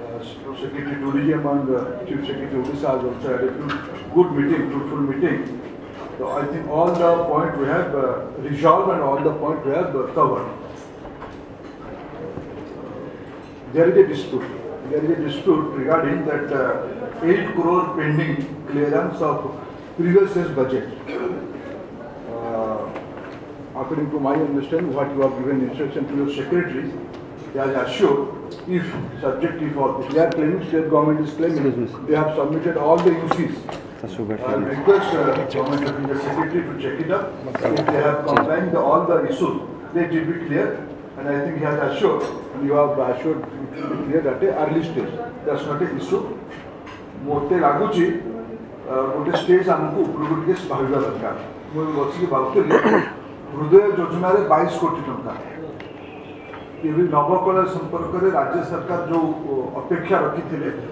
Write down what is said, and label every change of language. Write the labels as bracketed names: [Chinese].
[English] Secretary tourism and chief secretary Odisha has also had a good meeting fruitful meeting so I think all the point we have resolve and all the point we have covered there is a dispute regarding that 8 crore pending clearance of previous year's budget. According to my understanding, what you have given instruction to your secretary, he has assured, if subjective or they are claiming, state government is claiming, they have submitted all the UCs. I request government to the secretary to check it up. If they have complied with all the issues, they should be clear. And I think he has assured, and you have assured it will be clear at an early stage. That's not an issue. [Odia] Mote Raguchi, ଗୋଟେ stage ଆମକୁ ଉପରକୁ ଟିକେ ଭାବିବା ଦରକାର ମୁଁ ବସିକି ଭାବୁଥିଲି ହୃଦୟ ଯୋଜନାରେ 22 crore ଏବେ ନବକଳା ସମ୍ପର୍କରେ ରାଜ୍ୟ ସରକାର ଯେଉଁ ଅପେକ୍ଷା ରଖିଥିଲେ